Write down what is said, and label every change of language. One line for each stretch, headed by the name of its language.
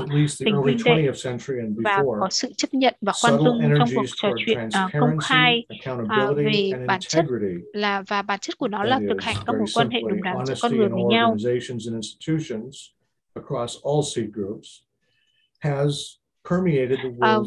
English: at least the early 20th century and before.
Vietnamese: Có sự chấp nhận và khoan dung trong cuộc trò chuyện công khai về bản chất là và bản chất của nó là thực hành các mối quan hệ đúng đắn giữa con người với nhau.
English: Organizations and institutions across all seed groups has permeated the world